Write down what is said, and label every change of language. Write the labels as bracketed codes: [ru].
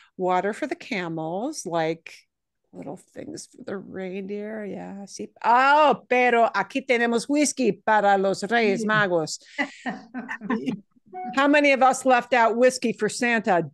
[en] Water for the camels, like little things for the reindeer, yeah. [es] Sí. Oh, pero aquí tenemos whiskey para los Reyes Magos. [en] How many of us left out whiskey for Santa?